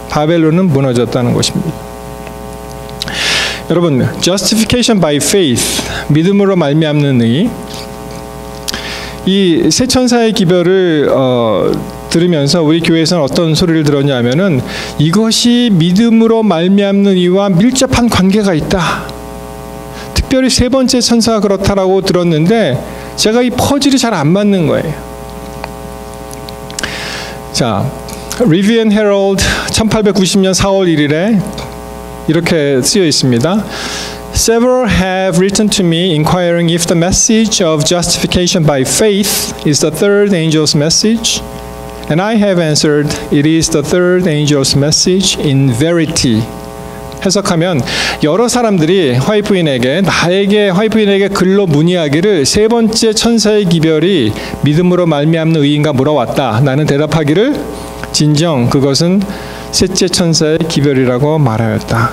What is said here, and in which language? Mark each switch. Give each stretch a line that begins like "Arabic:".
Korean: 바벨론은 무너졌다는 것입니다. 여러분,
English: justification by faith,
Korean: 믿음으로 말미암는 의, 이 세 천사의 기별을 들으면서 우리 교회에서는 어떤 소리를 들었냐면은 이것이 믿음으로 말미암는 이와 밀접한 관계가 있다. 특별히 세 번째 천사가 그렇다라고 들었는데 제가 이 퍼즐이 잘 안 맞는 거예요. 자, Review and Herald 1890년 4월 1일에 이렇게 쓰여 있습니다.
English: Several have written to me inquiring if the message of justification by faith is the third angel's message. And I have answered, it is the third angel's message in verity.
Korean: 해석하면 여러 사람들이 나에게 화이프인에게 글로 문의하기를 세 번째 천사의 기별이 믿음으로 말미암는 의인가 물어왔다. 나는 대답하기를 진정 그것은 셋째 천사의 기별이라고 말하였다.